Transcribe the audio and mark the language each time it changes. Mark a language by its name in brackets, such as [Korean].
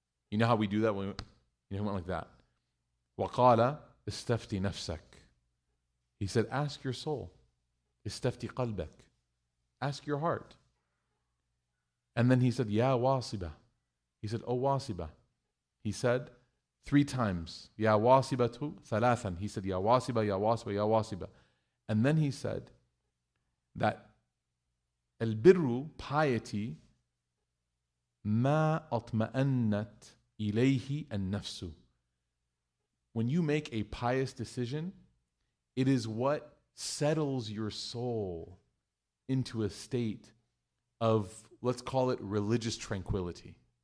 [English] You know how we do that? It went like that. [Arabic] وَقَالَ إِسْتَفْتِ نَفْسَكَ. [English] He said, ask your soul. [Arabic] إِسْتَفْتِ قَلْبَكَ. [English] Ask your heart. And then he said, [Arabic] يَا وَاصِبَ. [English] He said, oh وَاصِبَ. He said, three times. [Arabic] يَا وَاصِبَةُ ثَلَاثًا. [English] He said, [Arabic] يَا وَاصِبَ, يَا وَاصِبَ, يَا وَاصِبَ. [English] And then he said that [Arabic] الْبِرُّ, [English] piety, [Arabic] مَا أَطْمَأَنَّتْ إِلَيْهِ النَّفْسُ. [English] When you make a pious decision, it is what settles your soul into a state of, let's call it, religious tranquility.